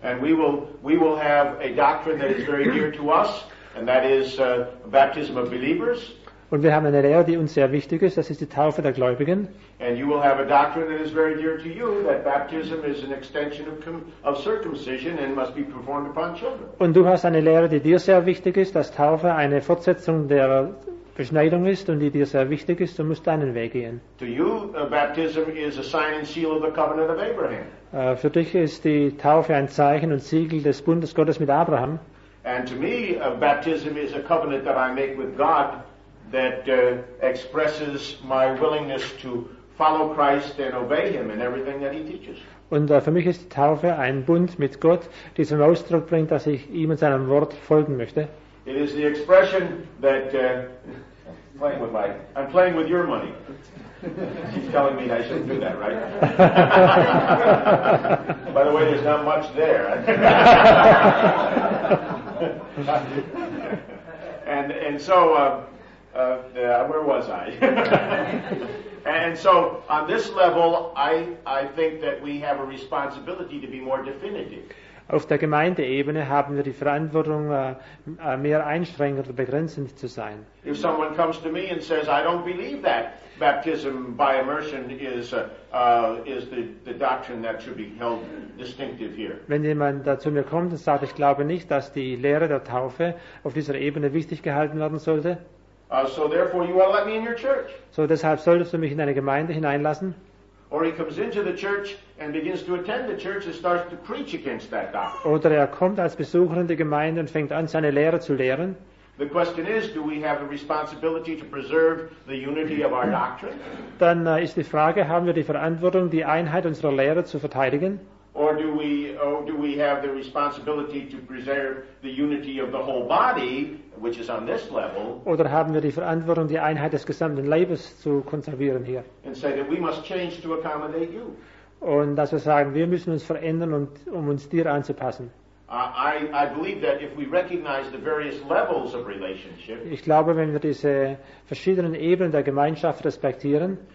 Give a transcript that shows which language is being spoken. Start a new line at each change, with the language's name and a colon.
English: And we will have a doctrine that is very dear to us, and that is baptism of believers.
German: Und wir haben eine Lehre, die uns sehr wichtig ist, das ist die Taufe der Gläubigen.
English: And you will have a doctrine that is very dear to you, that baptism is an extension of circumcision and must be performed upon children.
German: Und du hast eine Lehre, die dir sehr wichtig ist, dass Taufe eine Fortsetzung der Beschneidung ist und die dir sehr wichtig ist, du musst deinen Weg gehen.
English: To you, baptism is a sign and seal of the covenant of Abraham.
German: Für dich ist die Taufe ein Zeichen und Siegel des Bundes Gottes mit Abraham.
English: And to me, baptism is a covenant that I make with God that expresses my willingness to follow Christ and obey him in everything that he teaches.
German: Und für mich ist die Taufe ein Bund mit Gott, die zum Ausdruck bringt, dass ich ihm und seinem Wort folgen möchte.
English: It is the expression that I'm playing with your money. He's telling me I shouldn't do that, right? By the way, there's not much there. where was I? And so on this level, I think that we have a responsibility to be more definitive.
German: Auf der Gemeindeebene haben wir die Verantwortung, mehr einschränkend oder begrenzend zu sein.
English: If someone comes to me and says, I don't believe that baptism by immersion is the doctrine that should be held distinctive here.
German: Wenn jemand zu mir kommt und sagt, ich glaube nicht, dass die Lehre der Taufe auf dieser Ebene wichtig gehalten werden sollte.
English: So therefore you will let me in your church.
German: So deshalb solltest du mich in eine Gemeinde hineinlassen.
English: Or he comes into the church and begins to attend the church and starts to preach against that doctrine.
German: Oder er kommt als Besucher in die Gemeinde und fängt an, seine Lehre zu lehren.
English: The question is, do we have a responsibility to preserve the unity of our doctrine?
German: Dann ist die Frage, haben wir die Verantwortung, die Einheit unserer Lehre zu verteidigen?
English: Or do we have the responsibility to preserve the unity of the whole body, which is on this level?
German: Oder haben wir die Verantwortung, die Einheit des gesamten Leibes zu konservieren hier?
English: And say that we must change to accommodate you.
German: Und dass wir sagen, wir müssen uns verändern, um uns dir anzupassen.
English: I believe that if we recognize the various levels of relationship.
German: Ich glaube, wenn wir diese verschiedenen Ebenen der Gemeinschaft respektieren.